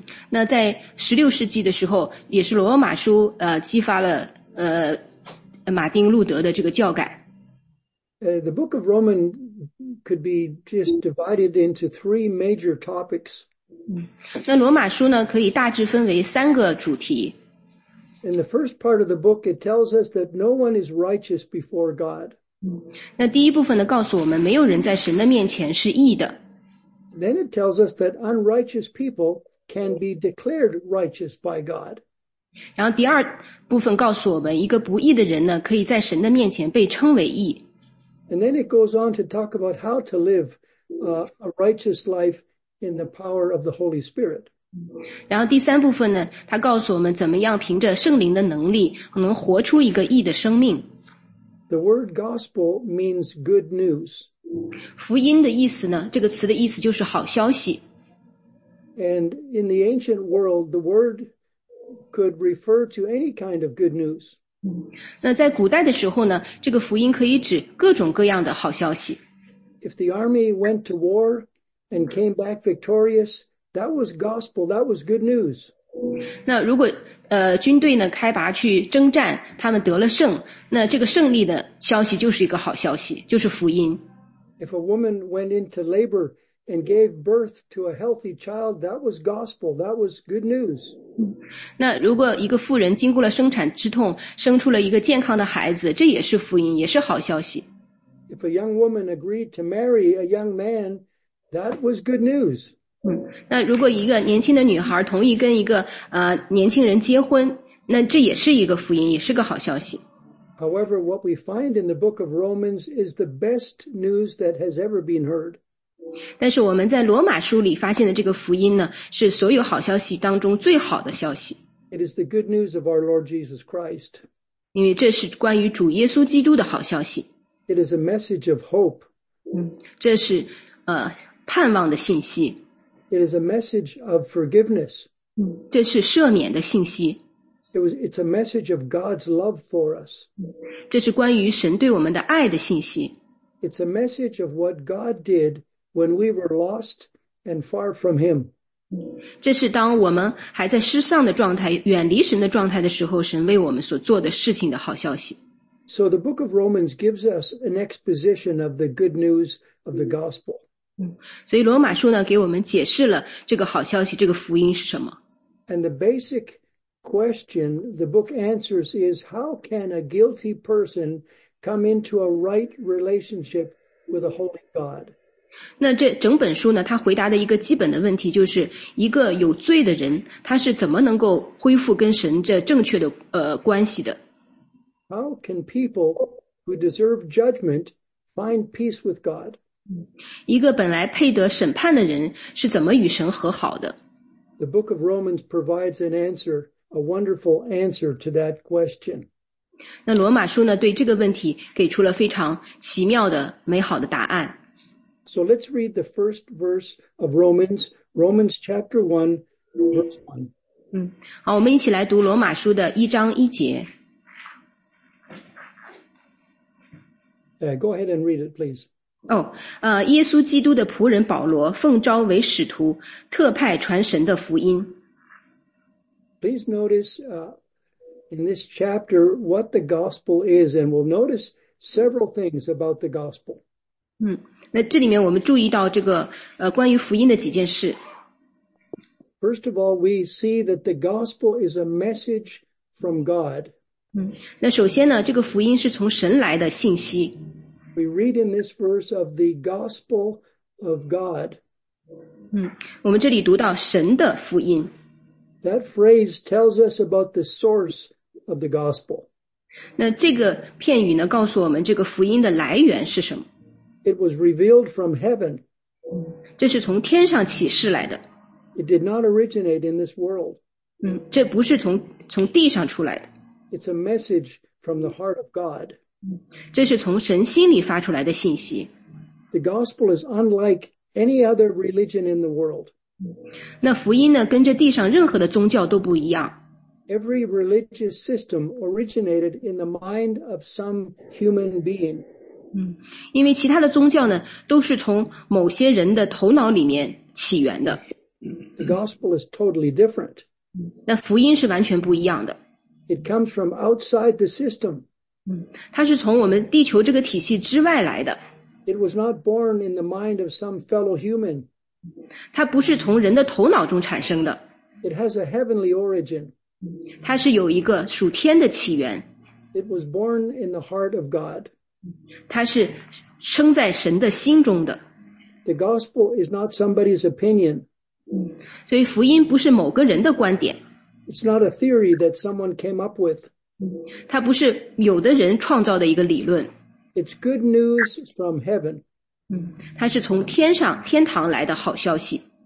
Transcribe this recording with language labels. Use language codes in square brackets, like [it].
[zh] 那在16世纪的时候，也是罗马书激发了马丁路德的这个教改。 [en] The book of Romans could be just divided into three major topics. [zh] 那罗马书呢，可以大致分为三个主题。 [en] In the first part of the book, it tells us that no one is righteous before God. [zh] 那第一部分呢，告诉我们没有人在神的面前是义的。 [en] Then it tells us that unrighteous people can be declared righteous by God. [zh] 然后第二部分告诉我们，一个不义的人呢，可以在神的面前被称为义。 [en] And then it goes on to talk about how to live a righteous life in the power of the Holy Spirit. [zh] 然后第三部分呢，他告诉我们怎么样凭着圣灵的能力能活出一个义的生命。 [en] The word gospel means good news. [zh] 福音的意思呢，这个词的意思就是好消息。 [en] And in the ancient world, the word could refer to any kind of good news. [zh] 那在古代的时候呢，这个福音可以指各种各样的好消息。 [en] If the army went to war and came back victorious, that was gospel, that was good news. [zh] 那如果军队呢开拔去征战，他们得了胜，那这个胜利的消息就是一个好消息，就是福音。 [en] If a woman went into labor and gave birth to a healthy child, that was gospel, that was good news. [zh] 那如果一个妇人经过了生产之痛，生出了一个健康的孩子，这也是福音，也是好消息。 [en] If a young woman agreed to marry a young man, that was good news. [zh] 那如果一个年轻的女孩同意跟一个年轻人结婚，那这也是一个福音，也是个好消息。 [en] However, what we find in the book of Romans is the best news that has ever been heard. [zh] 但是我们在罗马书里发现的这个福音呢，是所有好消息当中最好的消息。 [en] It is the good news of our Lord Jesus Christ. [zh] 因为这是关于主耶稣基督的好消息。 [en] It is a message of hope. [zh] 这是盼望的信息。 [en] It is a message of forgiveness. [zh] 这是赦免的信息。 [en] It's a message of God's love for us. [zh] 这是关于神对我们的爱的信息。 [en] It's a message of what God did when we were lost and far from Him. [zh] 这是当我们还在失丧的状态，远离神的状态的时候，神为我们所做的事情的好消息。 [en] So the book of Romans gives us an exposition of the good news of the gospel. [zh] 所以罗马书呢，给我们解释了这个好消息，这个福音是什么。 [en] And the basic question the book answers is, how can a guilty person come into a right relationship with a holy God? [zh] 那这整本书呢，它回答的一个基本的问题就是，一个有罪的人，他是怎么能够恢复跟神这正确的关系的。 [en] How can people who deserve judgment find peace with God? [zh] 一个本来配得审判的人是怎么与神和好的？ [en] The book of Romans provides an answer, a wonderful answer to that question. [zh] 那罗马书呢，对这个问题给出了非常奇妙的美好的答案。 [en] So let's read the first verse of Romans, Romans chapter 1, verse 1. [zh] 好，我们一起来读罗马书的一章一节。 [en] Go ahead and read it, please. [zh] 耶稣基督的仆人保罗，奉召为使徒，特派传神的福音。 [en] Please notice, in this chapter what the gospel is, and we'll notice several things about the gospel. [zh] 那这里面我们注意到这个关于福音的几件事。 [en] First of all, we see that the gospel is a message from God. [zh] 那首先呢，这个福音是从神来的信息。 [en] We read in this verse of the gospel of God. [zh] 我们这里读到神的福音。 [en] That phrase tells us about the source of the gospel. [zh] 那这个片语呢，告诉我们这个福音的来源是什么。 [en] It was revealed from heaven. [zh] 这是从天上启示来的。 [en] It did not originate in this world. [zh] 这不是从地上出来的。 [en] It's a message from the heart of God. [zh] 这是从神心里发出来的信息。 [en] The gospel is unlike any other religion in the world. [zh] 那福音呢，跟这地上任何的宗教都不一样。 [en] Every religious system originated in the mind of some human being. [zh] 因为其他的宗教呢，都是从某些人的头脑里面起源的。 [en] The gospel is totally different. [zh] 那福音是完全不一样的。 [en] It comes from outside the system. [zh] 它是从我们地球这个体系之外来的。 [en] It was not born in the mind of some fellow human. [zh] 它不是从人的头脑中产生的。 [en] It has a heavenly origin. [zh] 它是有一个属天的起源。 [en] It was born in the heart of God. [zh] 它是生在神的心中的。 [en] The gospel is not somebody's opinion. [zh] 所以福音不是某个人的观点。 [en] It's not a theory that someone came up with. [zh] 它不是有的人创造的一个理论。 [en] It's good news from heaven. [zh] 它是从天上天堂来的好消息。